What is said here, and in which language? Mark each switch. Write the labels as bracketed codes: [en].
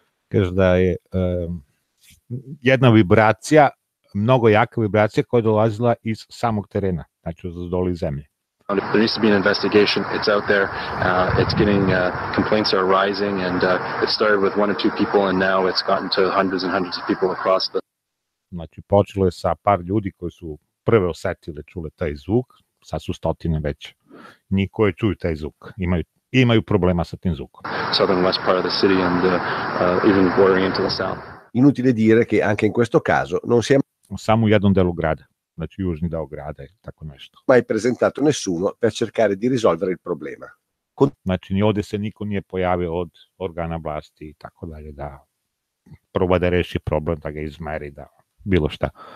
[sr] Kaže da je jedna vibracija, mnogo jaka vibracija koja je dolazila iz samog terena, znači od doli zemlje. [en] There needs to be an investigation. It's out there. It's getting complaints are rising, and it started with one or two people, and now it's gotten to hundreds and hundreds of people across the. [sr] Znači počelo je sa par ljudi koji su prve osetile, čule taj zvuk, sad su stotine već. Niko je čuju taj zvuk, imaju problema sa tim zvukom. [en] Southern west part of the city and even bordering into the south. [it] Inutile dire che anche in questo caso non si è [sr] samo u jednom delu grada, znači južni deo grada i tako nešto. [it] Mai presentato nessuno per cercare di risolvere il problema. [sr] Znači ni ovde se niko nije pojavio od organa vlasti i tako dalje da proba da reši problem, da ga izmeri, da bilo šta.